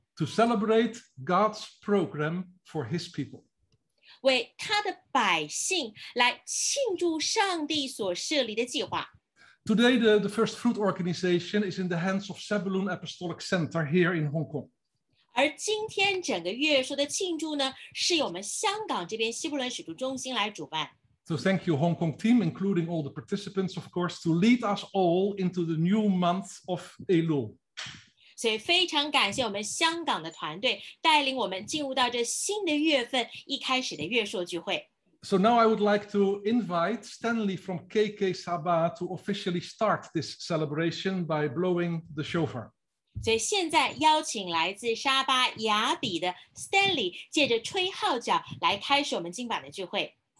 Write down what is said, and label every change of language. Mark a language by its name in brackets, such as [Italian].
[English] To celebrate God's program for His people. [Chinese] 为他的百姓来庆祝上帝所设立的计划。 [English] Today, the first fruit organization is in the hands of Zebulun Apostolic Center here in Hong Kong. [Chinese] 而今天整个月朔的庆祝呢，是由我们香港这边西伯伦使徒中心来主办。 [English] So thank you, Hong Kong team, including all the participants, of course, to lead us all into the new month of Elul. [Chinese] 所以非常感谢我们香港的团队带领我们进入到这新的月份一开始的月朔聚会。 [English] So now I would like to invite Stanley from KK Sabah to officially start this celebration by blowing the shofar. [Chinese] 所以现在邀请来自沙巴雅比的 Stanley 借着吹号角来开始我们今晚的聚会。